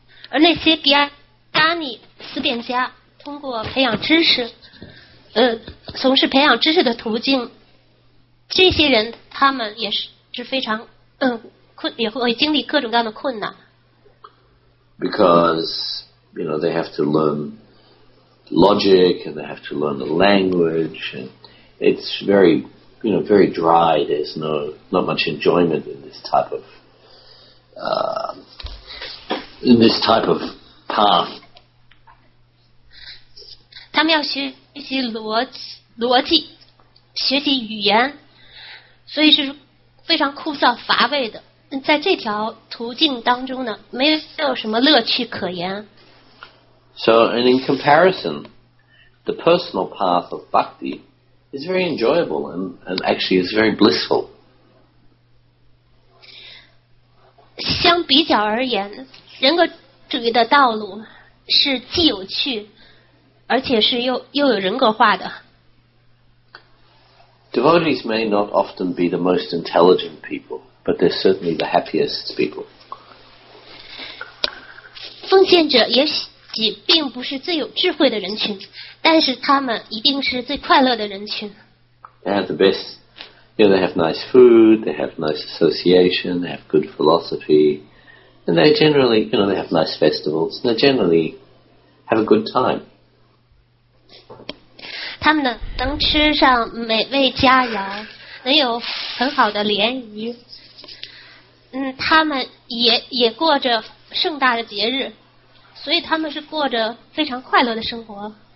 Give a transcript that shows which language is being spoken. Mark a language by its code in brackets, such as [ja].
[zh] 而那些 Gyani 思辨家通过培养知识，从事培养知识的途径，这些人他们也是非常也会经历各种各样的困难。 [en] Because they have to learn logic, and they have to learn the language, and it's very, very dry. There's not much enjoyment in this type of, in this type of path. [zh] 他们要学习逻辑，学习语言，所以是非常枯燥乏味的。在这条途径当中呢，没有什么乐趣可言。 [en] So, and in comparison, the personal path of bhakti is very enjoyable and actually is very blissful. [zh] 相比较而言，人格主义的道路是既有趣，而且是又有人格化的。 [en] Devotees may not often be the most intelligent people, but they're certainly the happiest people. [zh] 奉献者也许并不是最有智慧的人群，但是他们一定是最快乐的人群。 [en] They have the best. They have nice food. They have nice association. They have good philosophy, and they generally, they have nice festivals. They generally have a good time. [zh] 他们能吃上美味佳肴，能有很好的联谊。他们也过着盛大的节日。所以他们是过着非常快乐的生活。